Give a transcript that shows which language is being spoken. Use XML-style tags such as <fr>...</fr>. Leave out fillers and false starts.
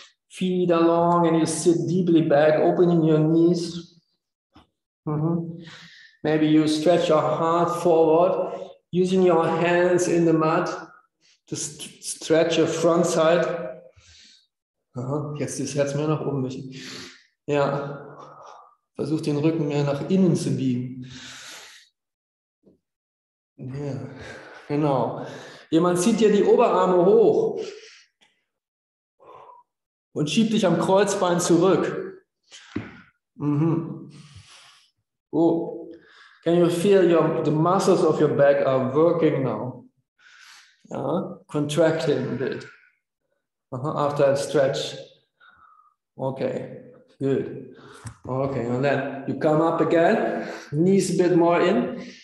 <en>Feet are long and you sit deeply back, opening your knees. Mm-hmm. Maybe you stretch your heart forward using your hands in the mat to stretch your front side.</en> <de>Jetzt das Herz mehr nach oben. Ja, versuch den Rücken mehr nach innen zu biegen. Ja, genau. Jemand zieht dir die Oberarme hoch und schiebt dich am Kreuzbein zurück.</de> <en>Oh, can you feel the muscles of your back are working now? Ja, contracting a bit. After a stretch. Okay, good. Okay, and then you come up again, knees a bit more in.</en>